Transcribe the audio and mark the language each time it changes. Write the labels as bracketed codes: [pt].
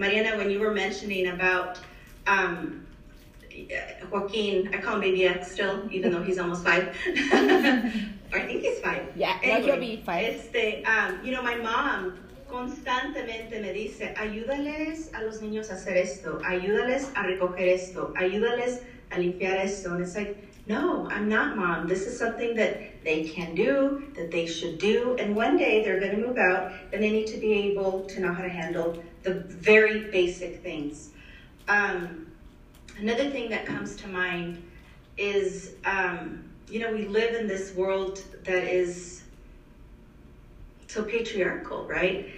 [en] Mariana, when you were mentioning about Joaquin, I call him Baby X still, even though he's almost five. I think he's five. Yeah, anyway, he'll be five. My mom [es] constantemente me dice, ayúdales a los niños a hacer esto, ayúdales a recoger esto, ayúdales a limpiar esto. [en] And it's like, no, I'm not mom. This is something that they can do, that they should do. And one day they're going to move out and they need to be able to know how to handle the very basic things. Another thing that comes to mind is, we live in this world that is so patriarchal, right?